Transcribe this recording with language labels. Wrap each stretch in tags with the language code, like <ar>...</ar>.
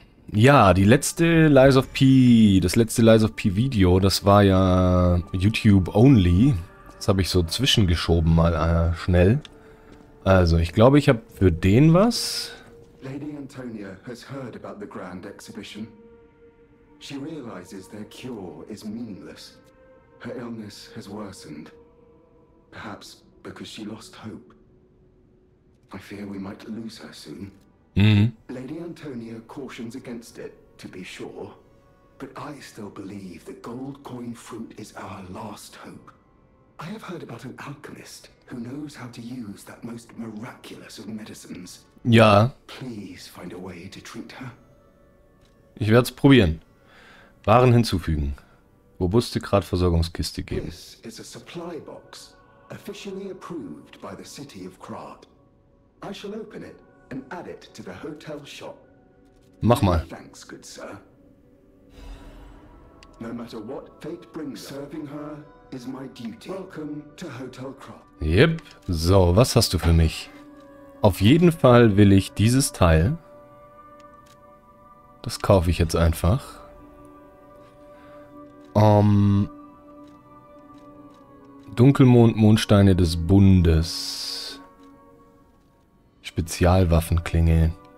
<de>Ja, die letzte Lies of P, das letzte Lies of P Video, das war ja YouTube only. Das habe ich so zwischengeschoben mal schnell. Also, ich glaube, ich habe für den was.</de> <en>Lady Antonia has heard about the Grand Exhibition. She realizes their cure is meaningless. Her illness has worsened. Perhaps because she lost hope. I fear we might lose her soon. Lady Antonia cautions against it, to be sure. But I still believe that gold coin fruit is our last hope. I have heard about an alchemist who knows how to use that most miraculous of medicines.</en> <de>Ja.</de> <en>Please find a way to treat her.</en> <de>Ich werde es probieren. Waren hinzufügen. Robuste Kratversorgungskiste geben.</de> <en>This is a supply box, officially approved by the city of Krat. I shall open it and add it to the hotel shop.</en> <de>Mach mal.</de> <en>Thanks, good sir. No matter what fate brings, serving her is my duty. Welcome to Hotel Krat.</en> <de>Yep. So, was hast du für mich? Auf jeden Fall will ich dieses Teil. Das kaufe ich jetzt einfach. Dunkelmond, Mondsteine des Bundes. Spezialwaffenklinge.</de>